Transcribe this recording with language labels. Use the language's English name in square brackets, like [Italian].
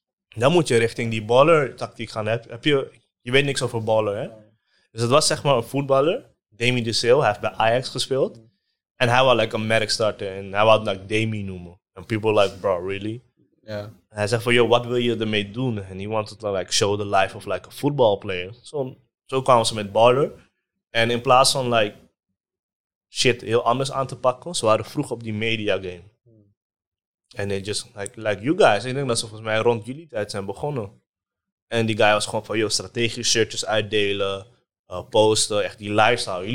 [Dutch] Dan moet je richting die baller tactiek gaan. Heb je weet niks over baller, hè? Ja. Dus het was, zeg maar, een voetballer. Damien Dussel. Hij heeft bij Ajax gespeeld. Mm. En hij wou like een merk starten. En hij wou like Damien noemen. [English] And people are like, bro, really? Yeah. [Dutch] Hij zegt van, yo, wat wil je ermee doen? [English] And he wanted to like show the life of like a football player. [Dutch] Zo kwamen ze met Baller. En in plaats van like shit heel anders aan te pakken, ze waren vroeg op die media game. Hmm. [English] And they just like you guys. [Dutch] Ik denk dat ze volgens mij rond jullie tijd zijn begonnen. En die guy was gewoon van, yo, strategische shirtjes uitdelen, posten, echt die lifestyle.